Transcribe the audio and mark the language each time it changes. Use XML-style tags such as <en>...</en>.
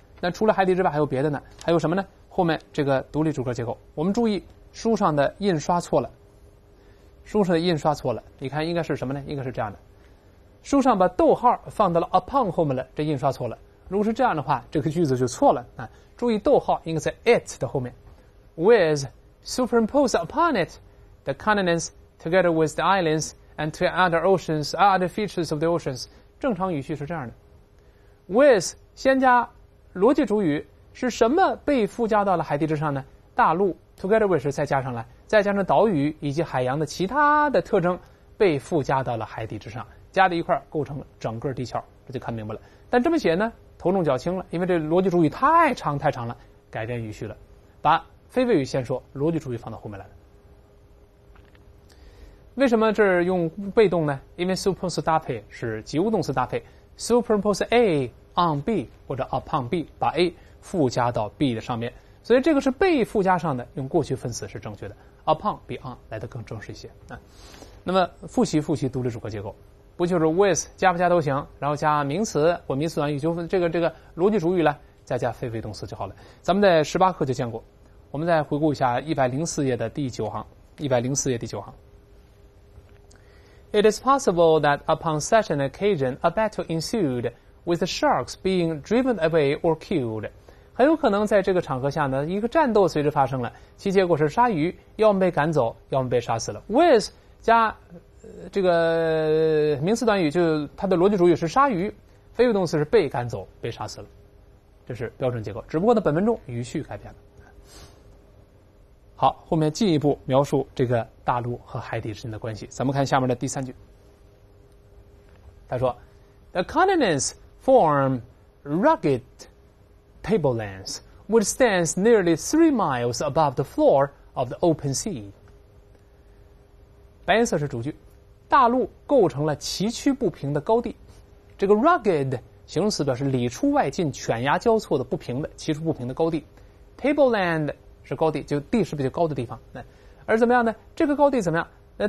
<zh>那除了海底之外还有别的呢？还有什么呢？后面这个独立组合结构，我们注意书上的印刷错了，书上的印刷错了。你看应该是什么呢？应该是这样的。书上把逗号放到了 upon 后面了，这印刷错了。如果是这样的话，这个句子就错了啊！注意逗号应该在 it 的后面。</zh> <en>With superimposed upon it, the continents together with the islands and two other oceans are the features of the oceans。</en> <zh>正常语序是这样的 ：With 先加逻辑主语，是什么被附加到了海底之上呢？大陆</zh> <en>together with</en> <zh>再加上来，再加上岛屿以及海洋的其他的特征被附加到了海底之上。加在一块构成了整个地壳，这就看明白了。但这么写呢，头重脚轻了，因为这逻辑主语太长太长了，改变语序了，把非谓语先说，逻辑主语放到后面来了。为什么这儿用被动呢？因为 superimpose 搭配是及物动词搭配 ，</zh> <en>superimpose a on b</en> <zh>或者</zh> <en>upon b，</en> <zh>把 a 附加到 b 的上面，所以这个是被附加上的，用过去分词是正确的 ，upon 比 on 来得更正式一些啊。那么复习独立组合结构。不就是 with 加不加都行，然后加名词或名词短语，就这个逻辑主语了，再加非谓动词就好了。咱们在十八课就见过，我们再回顾一下104页的第9行，104页第9行。</zh> <en>It is possible that upon such an occasion, a battle ensued, with the sharks being driven away or killed.</en> <zh>很有可能在这个场合下呢，一个战斗随之发生了，其结果是鲨鱼要么被赶走，要么被杀死了。 With 加这个名词短语，就它的逻辑主语是鲨鱼，非动词是被赶走，被杀死了。这是标准结构，只不过呢，本文中语序改变了。好，后面进一步描述这个大陆和海底之间的关系。咱们看下面的第三句。他说</zh> <en>,The continents form rugged tablelands, which stands nearly 3 miles above the floor of the open sea.</en> <zh>白颜色是主句，大陆构成了崎岖不平的高地。这个 rugged 形容词表示里出外进、犬牙交错的不平的、崎岖不平的高地。 Tableland是高地，就地势比较高的地方。而怎么样呢？这个高地怎么样？</zh>